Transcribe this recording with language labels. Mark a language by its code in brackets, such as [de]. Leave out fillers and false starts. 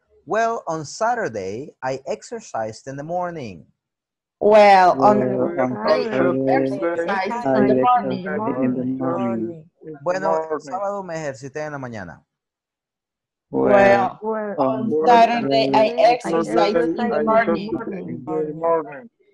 [en] Well, on Saturday, I exercised in the morning. Well, on Saturday, I exercised in the morning. [es] Bueno, el sábado me ejercité en la mañana. [en] Well, on Saturday, I exercised in the morning.